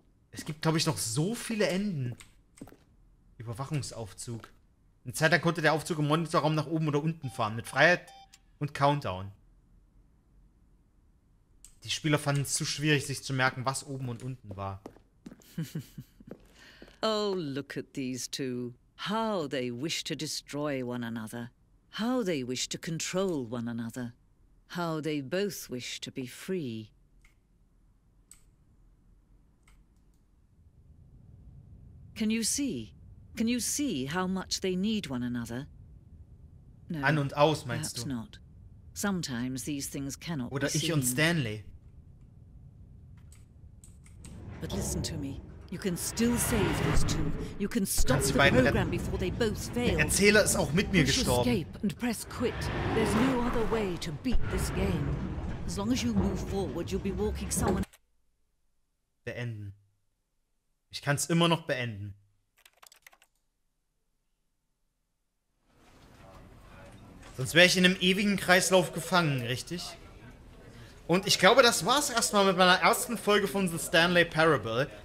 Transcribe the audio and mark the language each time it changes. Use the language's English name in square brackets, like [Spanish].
[German] Es gibt, glaube ich, noch so viele Enden. Überwachungsaufzug. Eine Zeit lang konnte der Aufzug im Monitorraum nach oben oder unten fahren. Mit Freiheit und Countdown. Die Spieler fanden es zu schwierig, sich zu merken, was oben und unten war. [English] Oh, look at these two. How they wish to destroy one another. How they wish to control one another. How they both wish to be free. Can you see? Can you see how much they need one another? [German] No, an und aus, meinst [English] perhaps [German] du? [English] Not. Sometimes these things cannot [German] oder [English] be seen. [German] Ich und Stanley. [English] But listen to me. You can still save those two. You can stop the program before they both fail. [German] Der Erzähler ist auch mit mir [English] push [German] gestorben. [English] Escape and press quit. There's no other way to beat this game. As long as you move forward, you'll be walking someone. [German] Beenden. Ich kann es immer noch beenden. Sonst wäre ich in einem ewigen Kreislauf gefangen, richtig? Und ich glaube, das war's erstmal mit meiner ersten Folge von The Stanley Parable.